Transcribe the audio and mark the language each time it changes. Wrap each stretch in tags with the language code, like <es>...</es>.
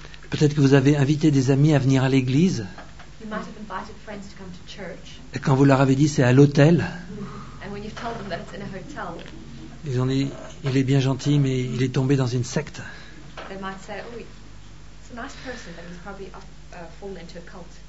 <fr>Peut-être que vous avez invité des amis à venir à l'église.</fr> <en>You might have invited friends to come to church.</en> <fr>Et quand vous leur avez dit c'est à l'hôtel,</fr> <en>and when you've told them that it's in a hotel,</en> <fr>ils ont dit il est bien gentil, mais il est tombé dans une secte.</fr> <en>They might say, oh, it's a nice person, but he's probably fallen into a cult.</en>